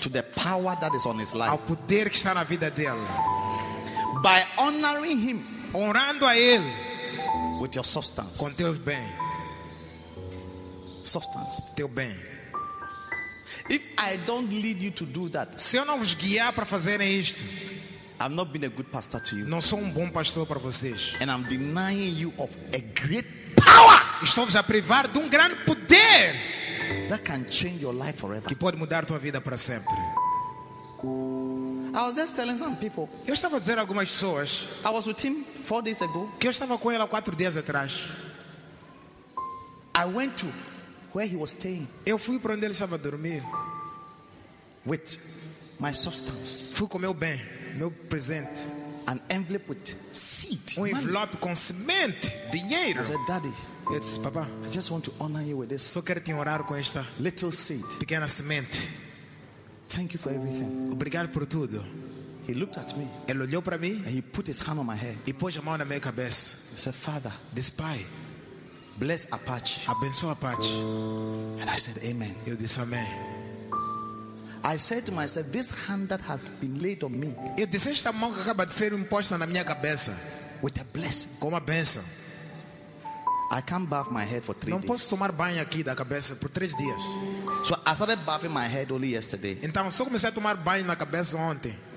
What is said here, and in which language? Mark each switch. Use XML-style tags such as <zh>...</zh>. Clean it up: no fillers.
<en>To the power that is on his life.</en> <pt>Ao poder que está na vida dele.</pt> <en>By honoring him.</en> <pt>Honrando a ele.</pt> <en>With your substance.</en> <pt>Com teu bem.</pt> <en>Substance.</en> <pt>Teu bem.</pt> <en>If I don't lead you to do that.</en> <pt>Se eu não vos guiar para fazerem isto.</pt> <en>I've not been a good pastor to you.</en> <pt>Não sou bom pastor para vocês.</pt> <en>And I'm denying you of a great power.</en> <pt>Estou-vos a privar de grande poder.</pt> <en>That can change your life forever.</en> <pt>Que pode mudar tua vida para sempre.</pt> <en>I was just telling some people.</en> <pt>Eu estava a dizer algumas pessoas.</pt> <en>I was with him 4 days ago.</en> <pt>Que eu estava com ele há 4 dias atrás.</pt> <en>I went to where he was staying.</en> <pt>Eu fui para onde ele estava a dormir.</pt> <en>With my substance.</en> <pt>Fui com meu bem. Meu presente.</pt> <en>An envelope with seed.</en> <pt>Um envelope</pt> <en>money.</en> <pt>Com semente. Dinheiro.</pt> <en>I said, Daddy.</en> <pt>Eu disse, papá,</pt> <en>I just want to honor you with this.</en> <pt>Só quero te honrar com esta</pt> <en>little seed.</en> <pt>Pequena semente.</pt> <en>Thank you for everything.</en> <pt>Obrigado por tudo.</pt> <en>He looked at me.</en> <pt>Ele olhou para mim.</pt> <en>And he put his hand on my head.</en> <pt>E pôs a mão na minha cabeça.</pt> <en>He said, Father, this</en> <pt>pai,</pt> <en>bless Apache.</en> <pt>Abençoa Apache.</pt> <en>And I said, Amen.</en> <pt>Eu disse, Amém.</pt> <en>I said to myself, this hand that has been laid on me.</en> <pt>Eu disse, esta mão que acaba de ser imposta na minha cabeça.</pt> <en>With a blessing.</en> <pt>Com uma bênção.</pt> <en>I can't bath my head for 3 days.</en> <pt>Não posso tomar banho aqui da cabeça por 3 dias.</pt> <en>So I started bathing my head only yesterday.</en> <pt>Então só comecei a tomar banho na cabeça ontem.</pt>